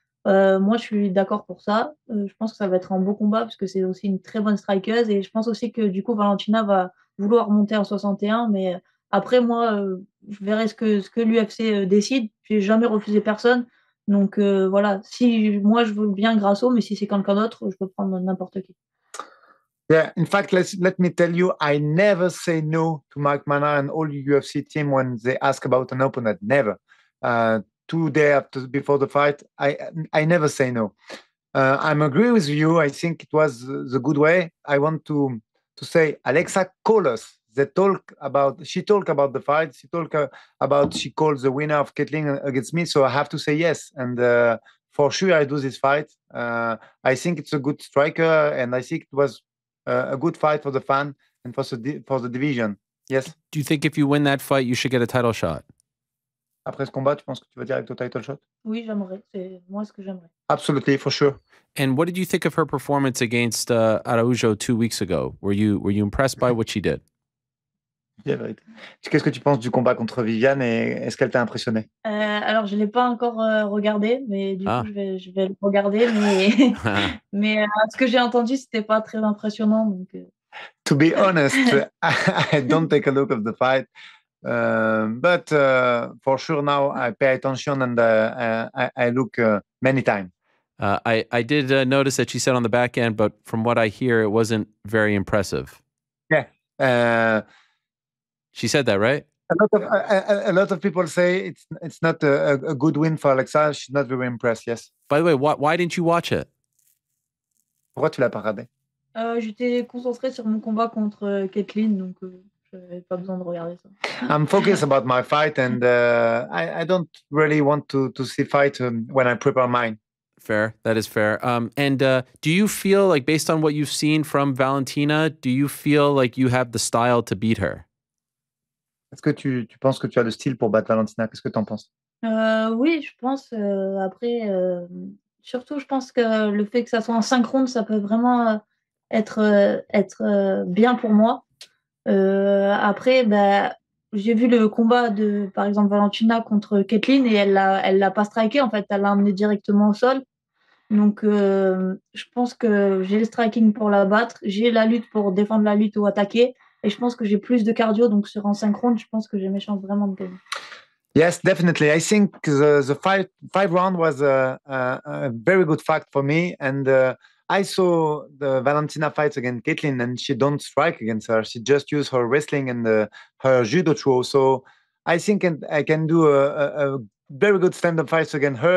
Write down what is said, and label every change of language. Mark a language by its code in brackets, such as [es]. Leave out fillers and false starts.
[fr] Moi, je suis d'accord pour ça. Je pense que ça va être un beau combat parce que c'est aussi une très bonne strikeuse et je pense aussi que du coup, Valentina va vouloir monter en 61, mais... Après, moi, je verrai ce que l'UFC décide. Je n'ai jamais refusé personne. Donc, voilà. Si moi, je veux bien Grasso, mais si c'est quelqu'un d'autre, je peux prendre n'importe qui. [en] Yeah, in fact, let me tell you, I never say no to Mark Manon and all UFC team when they ask about an opponent. Never. Two days before the fight, I never say no. I'm agree with you. I think it was the good way. I want to say, Alexa, call us. She talked about the fight. She talked about she called the winner of Katlyn against me. So I have to say yes. And for sure, I do this fight. I think it's a good striker. And I think it was a good fight for the fan and for the division. Yes. Do you think if you win that fight, you should get a title shot? [fr] Après ce combat, tu penses que tu vas direct au title shot? Oui, j'aimerais. C'est moi ce que j'aimerais. [en] Absolutely, for sure. And what did you think of her performance against Araujo 2 weeks ago? Were you impressed by what she did? [fr] Yeah, qu'est-ce que tu penses du combat contre Viviane et est-ce qu'elle t'a impressionné? Alors je ne l'ai pas encore regardé, mais du coup je vais le regarder. Mais ce que j'ai entendu, ce n'était pas très impressionnant. Donc... [en] To be honest, I don't take a look of the fight. But for sure now I pay attention and I look many times. I did notice that she said on the back end, but from what I hear, it wasn't very impressive. Yeah. She said that, right? A lot of people say it's not a good win for Alexa. She's not very impressed, yes. By the way, why didn't you watch it? [fr] Pourquoi tu l'as pas regardé? J'étais concentré sur mon combat contre Katlyn, donc j'avais pas besoin de regarder ça. [en] I'm focused about my fight and I don't really want to see fight when I prepare mine. Fair, that is fair. Do you feel like, based on what you've seen from Valentina, do you feel like you have the style to beat her? [fr] Est-ce que tu penses que tu as le style pour battre Valentina? Qu'est-ce que tu en penses? Oui, je pense. Après, surtout, je pense que le fait que ça soit en 5 rounds, ça peut vraiment être bien pour moi. Après, j'ai vu le combat de, par exemple, Valentina contre Katlyn et elle l'a pas striké, en fait. Elle l'a emmené directement au sol. Donc, je pense que j'ai le striking pour la battre. J'ai la lutte pour défendre la lutte ou attaquer. Et je pense que j'ai plus de cardio, donc sur en 5 rounds, je pense que j'ai mes chances vraiment de gagner. [en] Yes, definitely. I think the five round was a very good fight for me. And I saw the Valentina fights against Katlyn, and she don't strike against her. She just use her wrestling and her judo throw. So I think I can do a very good stand-up fights against her.